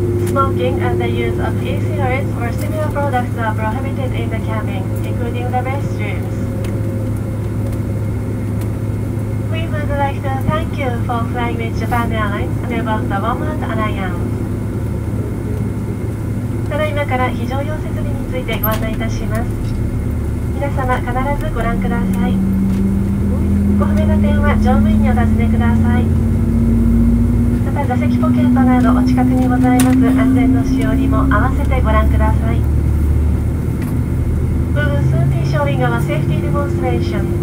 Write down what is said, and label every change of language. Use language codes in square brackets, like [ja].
[en] Smoking and the use of e-cigarettes or similar products are prohibited in the cabin, including the restrooms. We would like to thank you for flying with Japan Airlines and above the Womart Alliance. [ja] ただいまから非常用設備についてご案内いたします。皆様必ずご覧ください。ご不明な点は乗務員にお尋ねください。また座席ポケットなどお近くにございます安全のしおりも合わせてご覧ください。 [en] We will soon be showing our safety demonstration.